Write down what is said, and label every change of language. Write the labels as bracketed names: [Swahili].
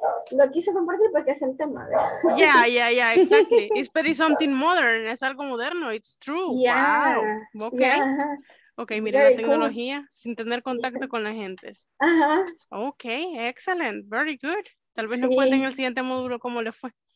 [Spanish] Lo quise compartir porque es el tema, ¿verdad? [English] Yeah, exactly. It's pretty something modern, [Spanish] es algo moderno, [English] it's true. Yeah. Wow, okay. Yeah. [Spanish] Okay, mira la tecnología sin tener contacto con la gente. Ajá. [English] Okay, excellent, very good. [Spanish] Tal vez nos cuenten en el siguiente módulo cómo le fue.